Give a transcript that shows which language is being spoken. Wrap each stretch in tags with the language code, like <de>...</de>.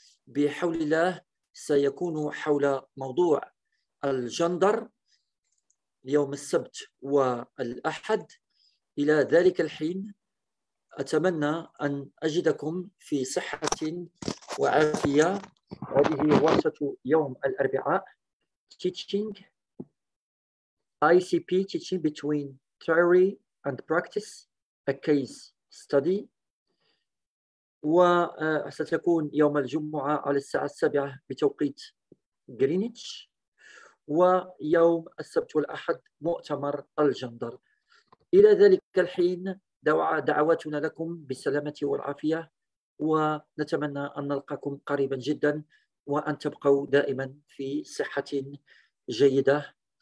<ar>بحول الله سيكون حول موضوع الجندر يوم السبت والأحد. إلى ذلك الحين أتمنى أن أجدكم في صحة وعافية. هذه ورشة يوم الأربعاء.</ar> <en>Teaching, ICP teaching between theory and practice, a case study.</en> <ar>وستكون يوم الجمعة على الساعة 7 بتوقيت غرينتش. ويوم السبت والأحد مؤتمر الجندر. إلى ذلك الحين دعواتنا لكم بالسلامة والعافية، ونتمنى أن نلقاكم قريبا جدا، وأن تبقوا دائما في صحة جيدة.</ar>